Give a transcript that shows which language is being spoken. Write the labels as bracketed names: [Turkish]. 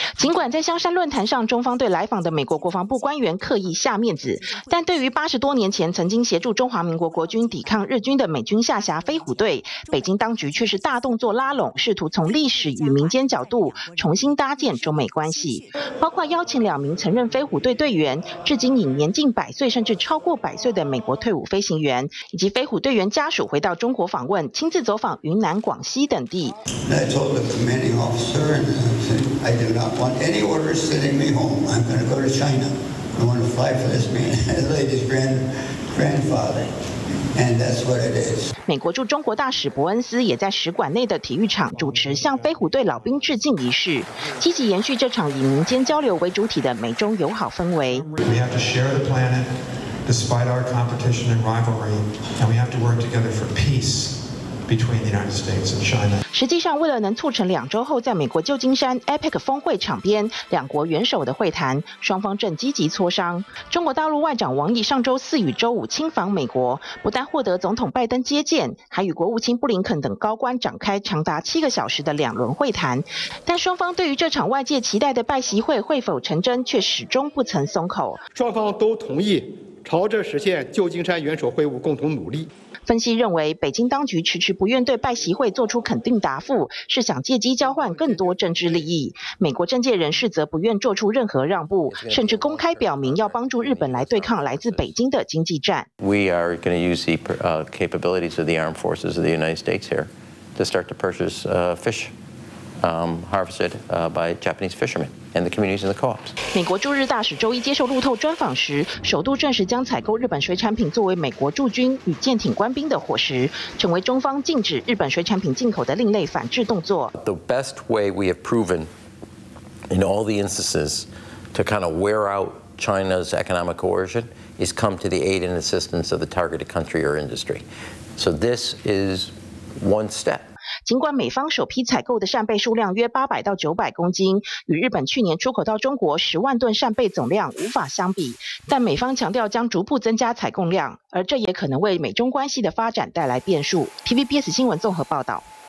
[Chinese] 尽管在香山论坛上，中方对来访的美国国防部官员刻意下面子，但对于80多年前曾经协助中华民国国军抵抗日军的美军下辖飞虎队，北京当局却是大动作拉拢，试图从历史与民间角度重新搭建中美关系，包括邀请两名曾任飞虎队队员、至今已年近百岁甚至超过百岁的美国退伍飞行员，以及飞虎队员家属回到中国访问，亲自走访云南、广西等地。 [English] I told the commanding officer, and I do not want any orders sending me home. I'm going to go to China. I want to fly for this man, lady's grandfather. And that's what it is. [Chinese] 美国驻中国大使伯恩斯也在使馆内的体育场主持向飞虎队老兵致敬仪式，积极延续这场以民间交流为主体的美中友好氛围。 [English] We have to share the planet despite our competition and rivalry, and we have to work together for peace. Between the United States and China. [Chinese] 实际上，为了能促成两周后在美国旧金山 APEC 峰会场边两国元首的会谈，双方正积极磋商。中国大陆外长王毅上周四与周五亲访美国，不但获得总统拜登接见，还与国务卿布林肯等高官展开长达7个小时的两轮会谈。但双方对于这场外界期待的拜习会会否成真，却始终不曾松口。双方都同意朝着实现旧金山元首会晤共同努力。分析认为，北京当局迟迟不愿对拜习会作出肯定答复，是想借机交换更多政治利益。美国政界人士则不愿做出任何让步，甚至公开表明要帮助日本来对抗来自北京的经济战。 [English] We are going to use the capabilities of the armed forces of the United States here to start to purchase fish. Harvested by Japanese fishermen and the communities in the co-ops. [Chinese] 美国驻日大使周一接受路透专访时，首度证实将采购日本水产品作为美国驻军与舰艇官兵的伙食，成为中方禁止日本水产品进口的另类反制动作。 [English] The best way we have proven in all the instances to kind of wear out China's economic coercion is come to the aid and assistance of the targeted country or industry. So this is one step. [Chinese] 尽管美方首批采购的扇贝数量约800到900公斤，与日本去年出口到中国10万吨扇贝总量无法相比，但美方强调将逐步增加采购量，而这也可能为美中关系的发展带来变数。 TVBS 新闻综合报道。